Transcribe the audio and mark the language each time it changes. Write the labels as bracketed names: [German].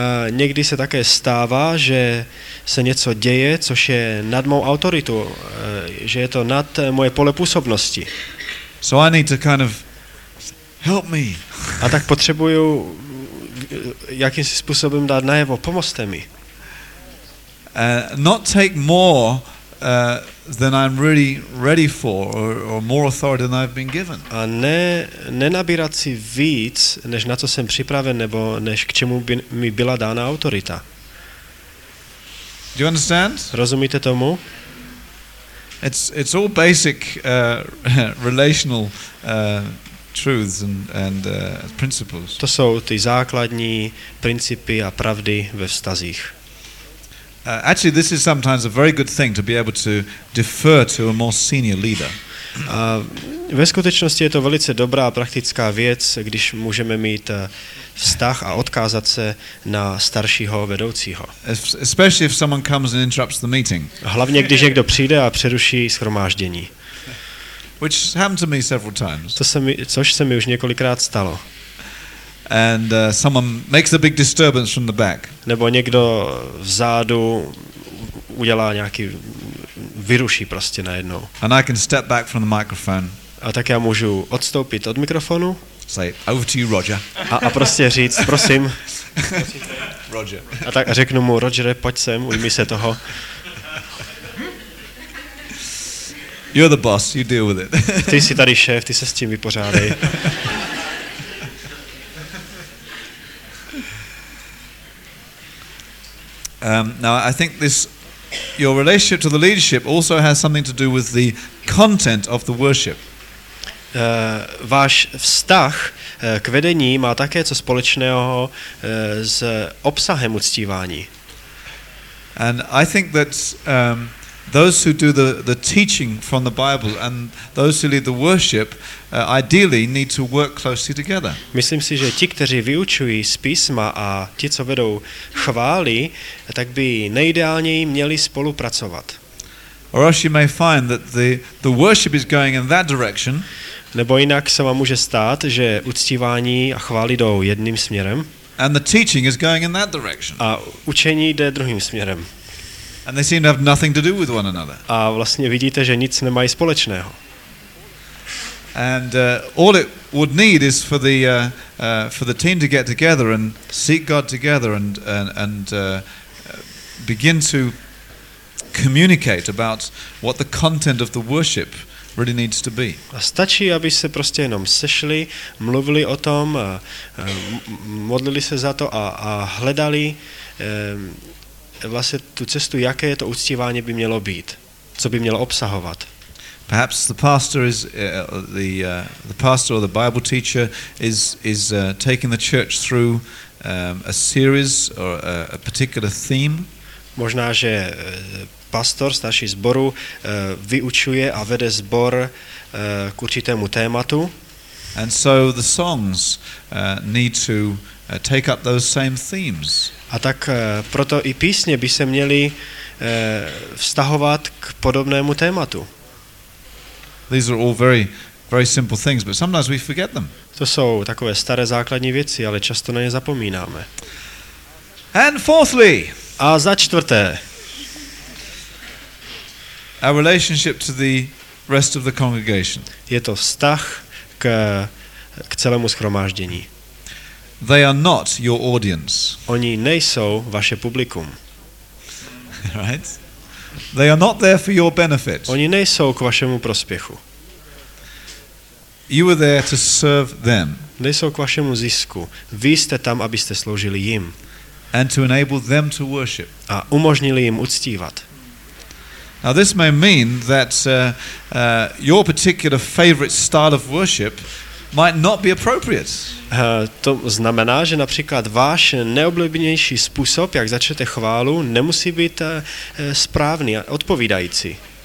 [Czech] Někdy se také stává, že se něco děje, což je nad mou autoritu, že je to nad moje pole působnosti. [English] So I need to kind of help me. [Czech] A tak potřebuju jakýmsi způsobem dát najevo, pomozte mi. [English] Not take more than I'm really ready for or more authority than I've been given. [Czech] A nenabírat si víc, než na co jsem připraven, nebo než k čemu by mi byla dána autorita. [English] Do you understand? [Czech] Rozumíte tomu? [English] It's all basic relational truths and principles. [Czech] To jsou ty základní principy a pravdy ve vztazích. [English] Actually this is sometimes a very good thing to be able to defer to a more senior leader. [Czech] Ve skutečnosti je to velice dobrá praktická věc, když můžeme mít vztah a odkázat se na staršího vedoucího. [English] Especially if someone comes and interrupts the meeting. [Czech] Hlavně když někdo přijde a přeruší shromáždění. [English] Which happened to me several times. [Czech] Což se mi už několikrát stalo. [English] And someone makes a big disturbance from the back. [Czech] Nebo někdo vzadu udělá nějaký vyruší prostě najednou. [English] And I can step back from the microphone. [Czech] A tak já můžu odstoupit od mikrofonu. [English] Say over to you, Roger. [Czech] A prostě říct, prosím. [English] Roger. [Czech] A tak řeknu mu, Rogere, pojď sem, ujmi se toho. [English] You're the boss, you deal with it. [Czech] Ty jsi tady šéf, ty se s tím vypořádej. [English] Now I think this your relationship to the leadership also has something to do with the content of the worship. [Czech] Váš vztah k vedení má také co společného s obsahem uctívání. [English] And I think that those who do the teaching from the Bible and those who lead the worship ideally need to work closely together. [Czech] Myslím si, že ti, kteří vyučují z písma a ti, co vedou chvály, tak by nejideálněji měli spolupracovat. [English] Or else you may find that the worship is going in that direction. [Czech] Nebo jinak se vám může stát, že uctívání a chvály jdou jedným směrem. [English] And the teaching is going in that direction. [Czech] A učení jde druhým směrem. [English] And they seem to have nothing to do with one another. [Czech] A vlastně vidíte, že nic nemají společného. [English] And all it would need is for the team to get together and seek God together and begin to communicate about what the content of the worship really needs to be. [Czech] A stačí, aby se prostě jenom sešli, mluvili o tom, modlili se za to a hledali vlastně tu cestu, jaké to uctívání by mělo být, co by mělo obsahovat. [English] Perhaps the pastor is the pastor or the Bible teacher is taking the church through a series or a particular theme. [Czech] Možná že pastor starší sboru vyučuje a vede sbor k určitému tématu. [English] And so the songs need to take up those same themes. [Czech] A tak proto i písně by se měly vztahovat k podobnému tématu. [English] These are all very, very simple things, but sometimes we forget them. [Czech] To jsou takové staré základní věci, ale často na ně zapomínáme. [English] And fourthly. [Czech] A za čtvrté. [English] Our relationship to the rest of the congregation. [Czech] Je to vztah k celému shromáždění. [English] They are not your audience. [Czech] Oni nejsou vaše publikum. [English] Right? They are not there for your benefit. [Czech] Oni nejsou k vašemu prospěchu. [English] You are there to serve them. [Czech] Nejsou k vašemu zisku. Vy jste tam, abyste sloužili jim. [English] And to enable them to worship. [Czech] A umožnili jim uctívat. [English] Now this may mean that your particular favorite style of worship might not be appropriate. [Czech] To znamená, že například váš neoblíbenější způsob, jak začnete chválu, nemusí být správný a odpovídající.